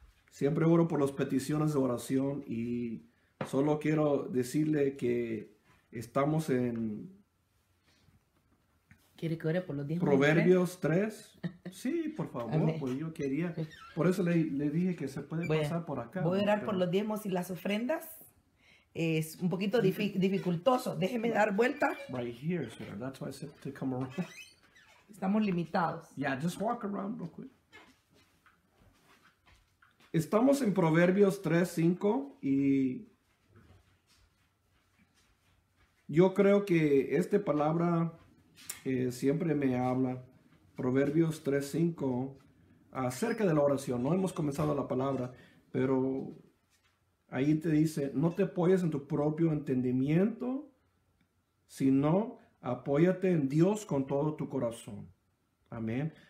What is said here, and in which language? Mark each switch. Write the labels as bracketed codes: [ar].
[es] Siempre oro por las peticiones de oración y solo quiero decirle que estamos en... ¿Quiere que ore por los 10 Proverbios 3? Sí, por favor, pues yo quería. Por eso le dije que se puede pasar por acá. Voy a orar por los diezmos y las ofrendas. Es un poquito dificultoso. Déjeme dar vuelta. [en] Right here, sir. That's why I said to come around. [es] Estamos limitados. [en] Yeah, just walk around real quick. [es] Estamos en Proverbios 3, 5. Y yo creo que esta palabra siempre me habla. Proverbios 3, 5. Acerca de la oración. No hemos comenzado la palabra, pero ahí te dice, no te apoyes en tu propio entendimiento, sino apóyate en Dios con todo tu corazón. Amén.